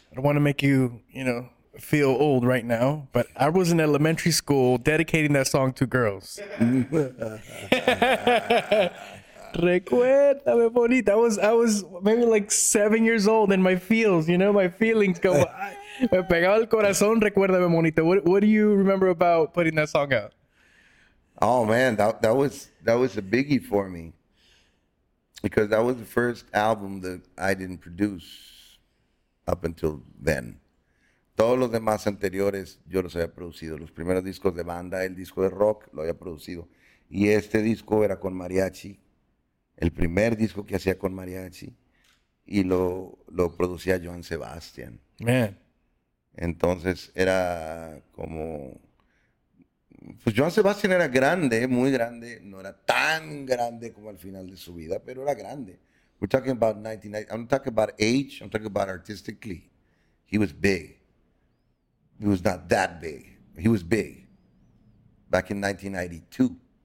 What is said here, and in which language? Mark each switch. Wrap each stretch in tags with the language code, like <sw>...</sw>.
<en>I don't want to make you, you know, feel old right now, but I was in elementary school dedicating that song to girls. Recuérdame Bonita. I was maybe like 7 years old, and my feels, you know, my feelings go.</en> <es>Me pegaba el corazón, recuérdame bonito.</es> <en>What do you remember about putting that song out? Oh man, that was a biggie for me, because that was the first album that I didn't produce up until then.</en> <es>Todos los demás anteriores yo los había producido. Los primeros discos de banda, el disco de rock, lo había producido. Y este disco era con Mariachi, el primer disco que hacía con Mariachi, y lo producía Joan Sebastián.</es> <en>Man.</en> <es>Entonces era como, pues Joan Sebastián era grande, muy grande, no era tan grande como al final de su vida, pero era grande.</es> <en>We're talking about 1990, I'm talking about age, I'm talking about artistically. He was big. He was not that big. He was big back in 1992.</en>